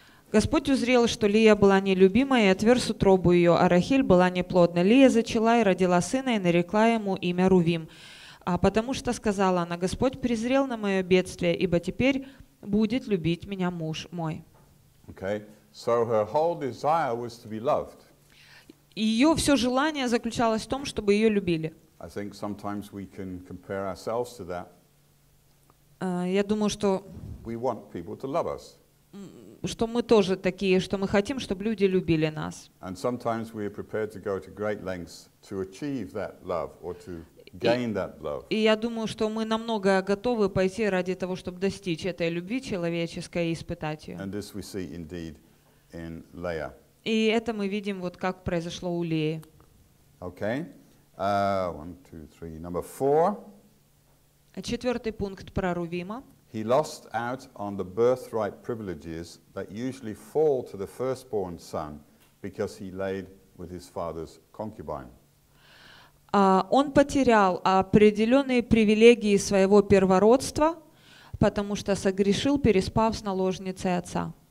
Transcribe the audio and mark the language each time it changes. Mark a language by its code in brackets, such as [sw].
[ru] Господь узрел, что Лия была нелюбимая, и отверз утробу ее, а Рахиль была неплодна. Лия зачала и родила сына, и нарекла ему имя Рувим. А потому что сказала она, Господь презрел на мое бедствие, ибо теперь будет любить меня муж мой. [en] Okay. So her whole desire was to be loved. [ru] Ее все желание заключалось в том, чтобы ее любили. [en] I think sometimes we can compare ourselves to that. [ru] Я думаю, что [en] we want people to love us. [ru] Что мы тоже такие, что мы хотим, чтобы люди любили нас. [en] And sometimes we are prepared to go to great lengths to achieve that love or to gain that love. [ru] И я думаю, что мы намного готовы пойти ради того, чтобы достичь этой любви человеческой и испытать ее. [en] And this we see indeed in Leah. [ru] И это мы видим, вот как произошло у Леи. [en] Okay. One, two, three. Number four. [ru] Четвертый пункт про Рувима. [en] He lost out on the birthright privileges that usually fall to the firstborn son because he laid with his father's concubine. [ru] Он потерял определенные привилегии своего первородства, потому что согрешил, переспав с наложницей отца.